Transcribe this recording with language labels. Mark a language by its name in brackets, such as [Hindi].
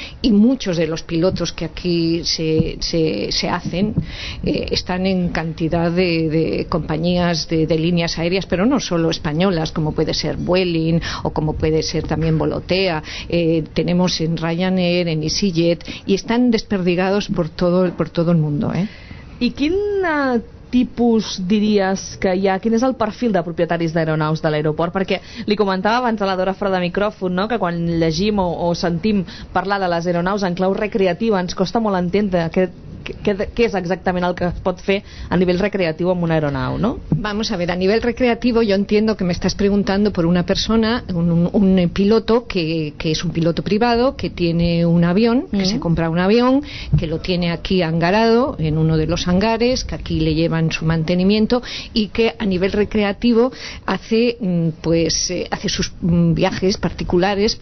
[Spanish] Y muchos de los pilotos que aquí se hacen están en cantidad de compañías de líneas aéreas, pero no solo españolas, como puede ser Vueling o como puede ser también Volotea. Tenemos en Ryanair, en EasyJet, y están desperdigados por todo el mundo, ¿eh? [Catalan] I quin tipus diries que hi ha? Quin és el perfil de propietaris d'aeronaus de l'aeroport? Perquè li comentava abans a la Dora fora de micròfon, no?, que quan llegim o sentim parlar de les aeronaus en clau recreativa ens costa molt entendre què és exactament el que es pot fer a nivell recreatiu amb una aeronau, no? [Spanish] Vamos a ver, a nivell recreativo yo entiendo que me estás preguntando por una persona, un piloto que es un piloto privado, que tiene un avión, que se compra un avión, que lo tiene aquí hangarado en uno de los hangares, que aquí le llevan su mantenimiento y que a nivel recreativo hace sus viajes particulares.